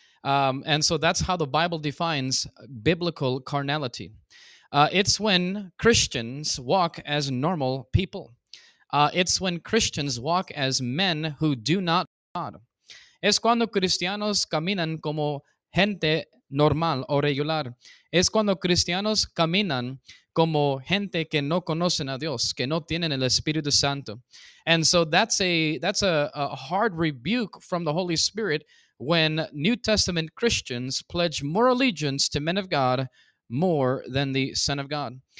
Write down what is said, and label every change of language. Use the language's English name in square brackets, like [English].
[English] And so that's how the Bible defines biblical carnality. It's when Christians walk as normal people. It's when Christians walk as men who do not God. [Spanish] Es cuando cristianos caminan como gente normal o regular. Es cuando cristianos caminan como gente que no conocen a Dios, que no tienen el Espíritu Santo. [English] And so that's a hard rebuke from the Holy Spirit when New Testament Christians pledge more allegiance to men of God more than the Son of God.